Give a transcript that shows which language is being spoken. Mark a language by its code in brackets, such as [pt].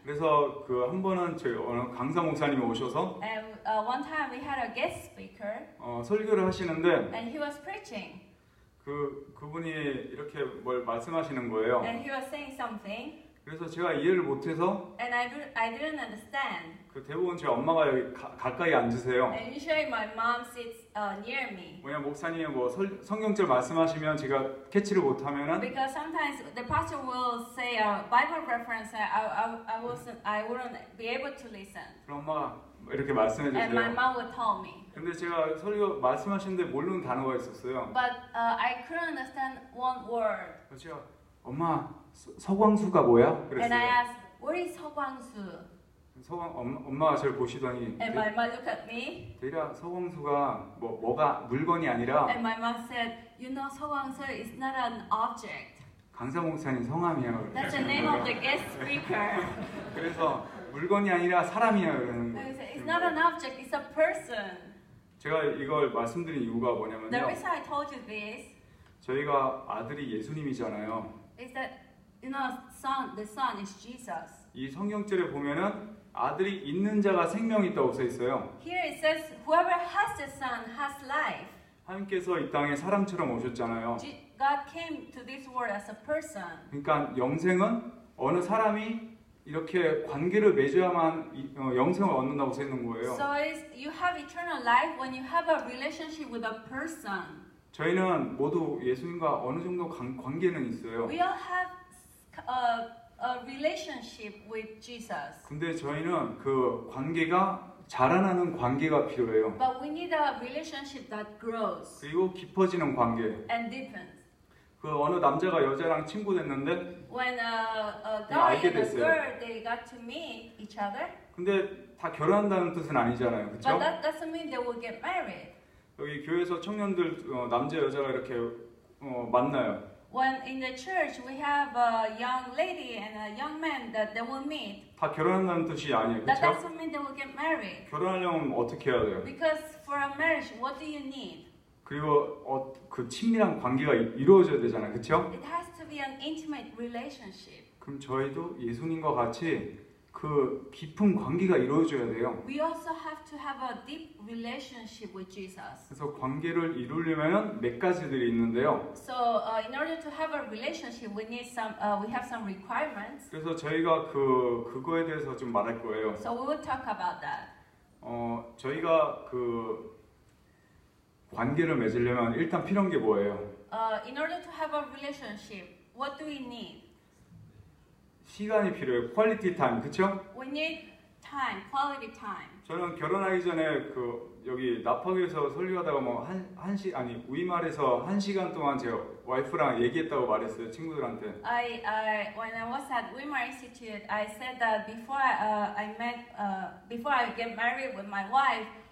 [ko] 그래서 그 한 번은 저희 어느 강사 목사님이 오셔서 [en] And one time we had a guest speaker. [ko] 설교를 하시는데 [en] And he was preaching. [ko] 그분이 이렇게 뭘 말씀하시는 거예요. [en] And he was saying something. [ko] 그래서 제가 이해를 못 해서 [en] And I didn't understand. [ko] 그 대부분 제 엄마가 여기 가까이 앉으세요. [en] And usually my mom sits near me. [ko] 왜냐 목사님이 뭐 성경절 말씀하시면 제가 캐치를 못 하면은 [en] Because sometimes the pastor will say a Bible reference and I wouldn't be able to listen. [ko] 그럼 엄마가 이렇게 말씀해 주세요. [en] And my mom would tell me. [ko] 근데 제가 설교 말씀하시는데 모르는 단어가 있었어요. [en] But I couldn't understand one word. [ko] 그렇죠. 엄마 서광수가 뭐야? 그랬어요. [en] And I asked, "What is 서광수?" [ko] 엄마가 저를 보시더니 [en] And my mom looked at me. [ko] 대략 서광수가 뭐가 물건이 아니라 [en] And my mom said, "You know, 서광수 is not an object." [ko] 강사 목사님 성함이야. [en] That's the name of the guest speaker. [ko] 그래서 물건이 아니라 사람이야. 그러는 거예요. [en] It's not an object. It's a person. [ko] 제가 이걸 말씀드린 이유가 뭐냐면요. [en] The reason I told you this. [ko] 저희가 아들이 예수님이잖아요. [en] Is that You know, the son is Jesus. [ko] 이 성경절에 보면은 아들이 있는 자가 생명이 있다고 써 있어요. [en] Here it says, whoever has the son has life. [ko] 하나님께서 이 땅에 사람처럼 오셨잖아요. [en] God came to this world as a person. [ko] 그러니까 영생은 어느 사람이 이렇게 관계를 맺어야만 영생을 얻는다고 생각한 거예요. [en] So is you have eternal life when you have a relationship with a person. [ko] 저희는 모두 예수님과 어느 정도 관계는 있어요. [en] We all have a relationship with Jesus. [ko] 근데 저희는 그 관계가 자라나는 관계가 필요해요. [en] But we need a relationship that grows. [ko] 그리고 깊어지는 관계. [en] And deepens. [ko] 그 어느 남자가 여자랑 친구 됐는데 [en] When a guy and a girl they got to meet each other. [ko] 근데 다 결혼한다는 뜻은 아니잖아요. 그렇죠? [en] But that doesn't mean they will get married. [ko] 여기 교회에서 청년들 남자 여자가 이렇게 만나요. [en] When in the church we have a young lady and a young man that they will meet. [ko] 다 결혼한다는 뜻이 아니에요. 그렇죠? [en] That doesn't mean they will get married. [ko] 결혼하려면 어떻게 해야 돼요? [en] Because for a marriage what do you need? [ko] 그리고 그 친밀한 관계가 이루어져야 되잖아요. 그렇죠? [en] It has to be an intimate relationship. [ko] 그럼 저희도 예수님과 같이 그 깊은 관계가 이루어져야 돼요. [en] We also have to have a deep relationship with Jesus. [ko] 그래서 관계를 이루려면 몇 가지들이 있는데요. [en] So in order to have a relationship we need some we have some requirements. [ko] 그래서 저희가 그거에 대해서 좀 말할 거예요. [en] So we will talk about that. [ko] 저희가 그 관계를 맺으려면 일단 필요한 게 뭐예요? [en] In order to have a relationship, what do we need? [ko] 시간이 필요해요. [en] Quality time, [ko] 그쵸? [en] We need time, quality time. [ko] 저는 결혼하기 전에 그 여기 나팍에서 설교하다가 뭐 위말에서 한 시간 동안 제가 와이프랑 얘기했다고 말했어요, 친구들한테. [en] When I was at Weimar Institute, I said that before I get married with my wife.